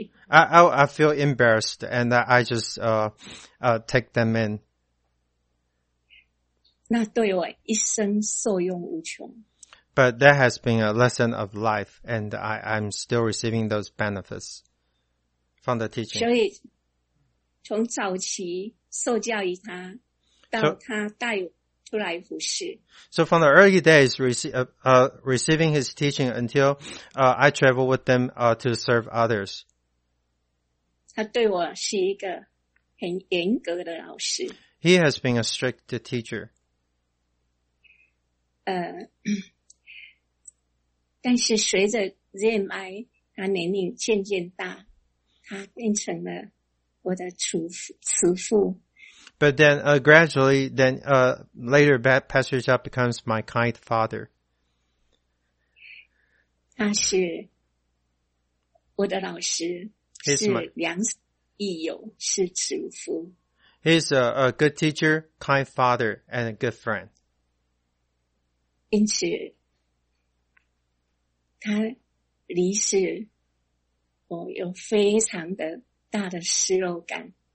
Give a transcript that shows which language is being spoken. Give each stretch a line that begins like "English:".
English: I feel embarrassed and I just take them in.
Chinese: 那对我一生受用无穷。
English: But that has been a lesson of life, and I'm still receiving those benefits from the teaching.
Chinese: 所以，从早期受教于他，到他带我出来服事。
English: So from the early days receiving his teaching until I travel with them to serve others.
Chinese: 他对我是一个很严格的老师。
English: He has been a strict teacher.
Chinese: 但是随着 ZMI 他年龄渐渐大，他变成了我的慈父。
English: But then later Pastor Zhao becomes my kind father.
Chinese: 他是我的老师，是良师益友，是慈父。
English: He's a good teacher, kind father, and a good friend.
Chinese: 因此他离世我有非常的大的失落感。